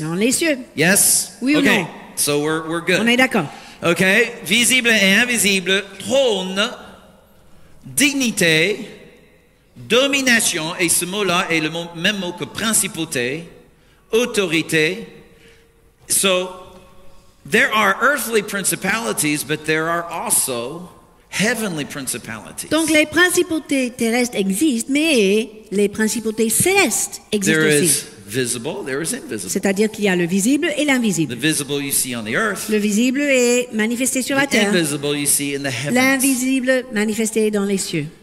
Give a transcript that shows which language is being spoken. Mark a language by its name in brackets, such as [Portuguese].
[French] Dans les cieux. [English] Yes. [French] Oui ou okay. Non? [English] So we're good. [French] On est d'accord. Okay. Visible et invisible, trône, dignité, domination, et ce mot-là est le même mot que principauté, autorité. [English] So, there are earthly principalities, but there are also heavenly principalities. [French] Donc les principautés terrestres existent, mais les principautés célestes existent [English] there [French] aussi. [English] There is visible, there is invisible. [French] C'est-à-dire qu'il y a le visible et l'invisible. [English] The visible you see on the earth. [French] Le visible est manifesté sur la terre. [English] The invisible you see in the heavens. [French] L'invisible manifesté dans les cieux.